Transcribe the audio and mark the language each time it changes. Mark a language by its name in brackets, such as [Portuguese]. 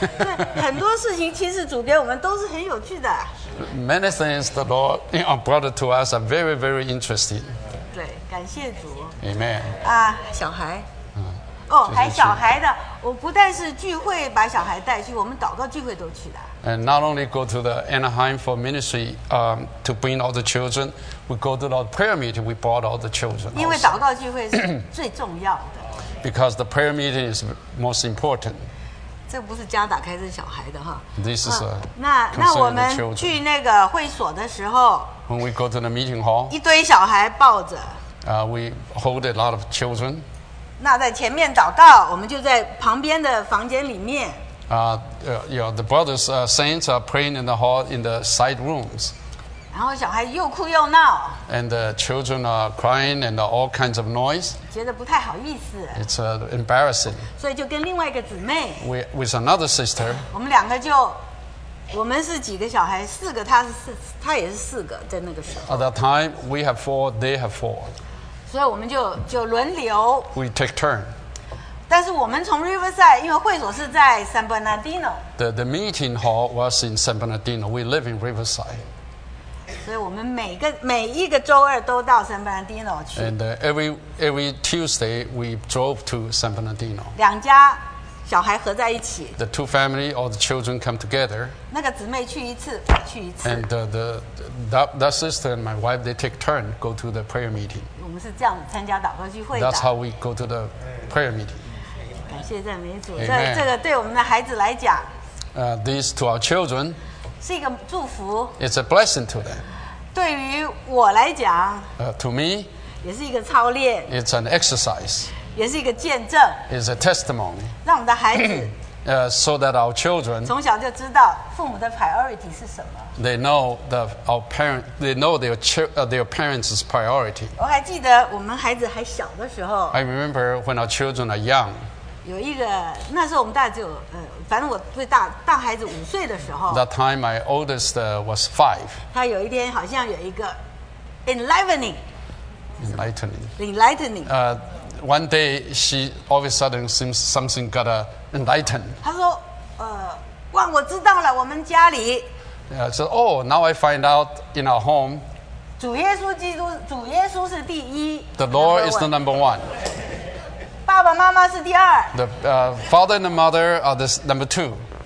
[Chinese] 对，很多事情其实主给我们都是很有趣的。 [English] Many things the Lord brought to us are very, very interesting. [Chinese] 对，感谢主。 [English] Amen. [Chinese] 小孩。还小孩的，我不但是聚会把小孩带去，我们祷告聚会都去的。 [English] And not only go to the Anaheim for ministry, to bring all the children, we go to the prayer meeting. We brought all the children. [Chinese] 因为祷告聚会是最重要的。 [English] Because the prayer meeting is most important. [Chinese] 这不是家打开，这是小孩的哈。 [English] This is a [Chinese] 那我们去那个会所的时候 [English] ，When we go to the meeting hall， [Chinese] 一堆小孩抱着。 [English] We hold a lot of children。 [Chinese] 那在前面祷告，我们就在旁边的房间里面。 [English] The brothers, saints are praying in the hall in the side rooms。 [Chinese] 然后小孩又哭又闹。 [English] And the children are crying and all kinds of noise. [Chinese] 觉得不太好意思。 [English] It's embarrassing. [Chinese] 所以就跟另外一个姊妹。 [English] With another sister. [Chinese] 我们两个就，我们是几个小孩？四个，他是四，他也是四个，在那个时候。 [English] At that time, we have four. They have four. [Chinese] 所以我们就轮流。 [English] We take turn. [Chinese] 但是我们从 Riverside， 因为会所是在 San Bernardino。 [English] The meeting hall was in San Bernardino. We live in Riverside. [Chinese] 所以我们每一个周二都到 San Bernardino 去。 [English] And every Tuesday we drove to San Bernardino. [Chinese] 两家小孩合在一起。 [English] The two family or the children come together. [Chinese] 那个姊妹去一次，去一次。 [English] And that sister and my wife they take turn go to the prayer meeting. [Chinese] 我们是这样参加祷告聚会的。 [English] That's how we go to the prayer meeting. [Chinese] 感谢赞美主，这个对我们的孩子来讲 [English] ，this to our children [Chinese] 是一个祝福 [English] ，it's a blessing to them。 [Chinese] 对于我来讲 [English] ，to me [Chinese] 也是一个操练 [English] ，it's an exercise， [Chinese] 也是一个见证 [English] ，it's a testimony。 [Chinese] 让我们的孩子 [English] so that our children [Chinese] 从小就知道父母的 priority 是什么 [English] ，they know that our parent they know their parents' priority。 [Chinese] 我还记得我们孩子还小的时候 [English] ，I remember when our children are young。 [Chinese] 有一个，那时候我们大概只有，反正我最大孩子五岁的时候。 [English] That time my oldest was five. [Chinese] 他有一天好像有一个 enlightening. [English] Enlightening. Enlightening. One day she all of a sudden seems something got enlightened. [Chinese] 他说，哇，我知道了，我们家里。 [English] Yeah, so oh, now I find out in our home. [Chinese] 主耶稣基督，主耶稣是第一。 [English] The Lord is the number one. [Chinese] 爸爸妈妈是第二。 [English] The father and the mother are the number two.